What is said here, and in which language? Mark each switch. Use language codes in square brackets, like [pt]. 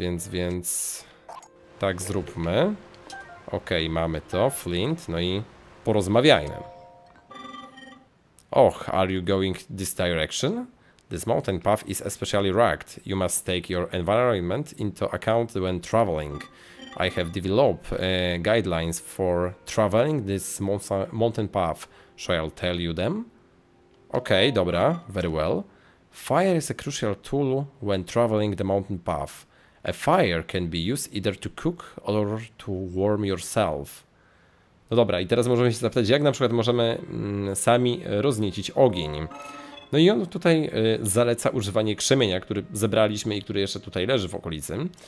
[pl] Więc tak zróbmy. Okej, mamy to, flint, no i porozmawiajmy. [en] Och, are you going this direction? This mountain path is especially rugged. You must take your environment into account when traveling. I have developed guidelines for traveling this mountain path. Shall I tell you them? Okay, dobra, very well. Fire is a crucial tool when traveling the mountain path. A fire can be used either to cook or to warm yourself. [pl] No dobra, i teraz możemy się zapytać, jak na przykład możemy sami rozniecić ogień. No i on tutaj zaleca używanie krzemienia, który zebraliśmy i który jeszcze tutaj leży w okolicy.